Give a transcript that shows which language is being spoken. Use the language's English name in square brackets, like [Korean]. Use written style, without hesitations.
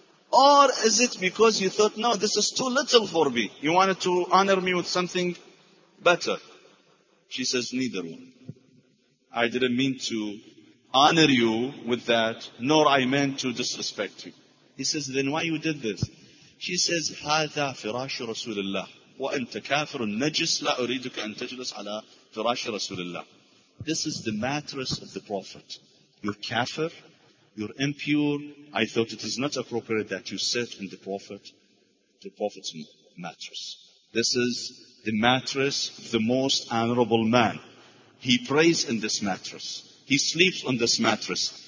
[English] Or is it because you thought, no, this is too little for me? You wanted to honor me with something better?" She says, "Neither one. I didn't mean to honor you with that, nor I meant to disrespect you." He says, "Then why you did this?" She says, [Arabic] "هذا فراش رسول الله وأنت كافر النجس لا أريدك أن تجلس على فراش رسول الله." [English] This is the mattress of the Prophet. You're kafir, you're impure. I thought it is not appropriate that you sit in the Prophet's mattress. This is the mattress of the most honorable man. He prays in this mattress. He sleeps on this mattress.